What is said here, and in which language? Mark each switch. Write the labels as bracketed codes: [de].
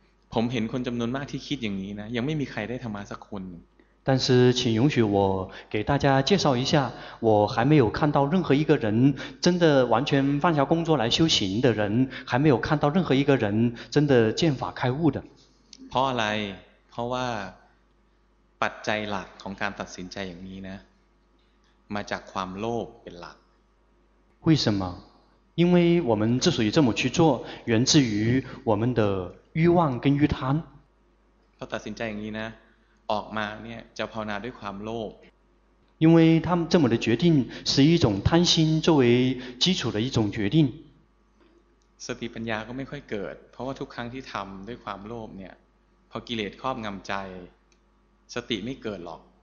[th] ผมเห็นคนจำนวนมากที่คิดอย่างนี้นะยังไม่มีใครได้ทำมาสักคน [zh] 但是请允许我给大家介绍一下我还没有看到任何一个人真的完全放下工作来修行的人还没有看到任何一个人真的见法开悟的 [th] เพราะอะไรเพราะว่าปัจจัยหลักของการตัดสินใจอย่างนี้นะมาจากความโลภเป็นหลัก [zh] 为什么因为我们之所以这么去做源自于我们的欲望跟欲贪 [th] เราตัดสินใจอย่างนี้นะออกมาเนี่ยจะภาวนาด้วยความโลภ [zh] 因为他们这么的决定是一种贪心作为基础的一种决定 [th] สติปัญญาก็ไม่ค่อยเกิดเพราะว่าทุกครั้งที่ทำด้วยความโลภเนี่ยพอกิเลสครอบงำใจสติไม่เกิดหรอก